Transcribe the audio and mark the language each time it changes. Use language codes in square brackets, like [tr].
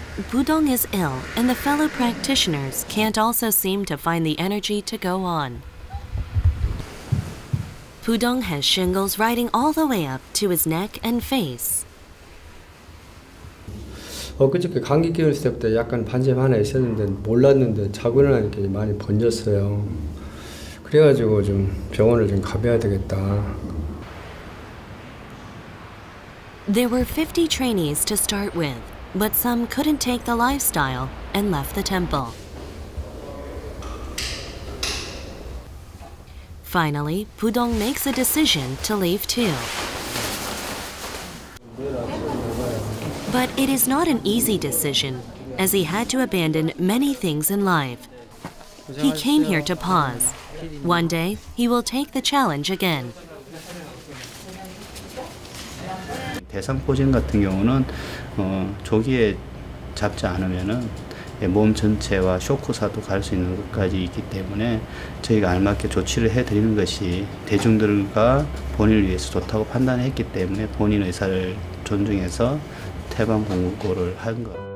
[en] Budong is ill, and the fellow practitioners can't also seem to find the energy to go on. Budong has shingles riding all the way up to his neck and face. [ko] 그저께 감기 기운 있을 때 약간 반점 하나 있었는데 몰랐는데 자고 일어나니까 많이 번졌어요. 그래가지고 좀 병원을 좀 가봐야 되겠다. [en] There were 50 trainees to start with. But some couldn't take the lifestyle and left the temple. Finally, Budong makes a decision to leave too. But it is not an easy decision, as he had to abandon many things in life. He came here to pause. One day, he will take the challenge again. [ko] 대상포진 같은 경우는 조기에 잡지 않으면은 몸 전체와 쇼크사도 갈 수 있는 것까지 있기 때문에 저희가 알맞게 조치를 해드리는 것이 대중들과 본인을 위해서 좋다고 판단했기 때문에 본인 의사를 존중해서 태방 공고를 한 것.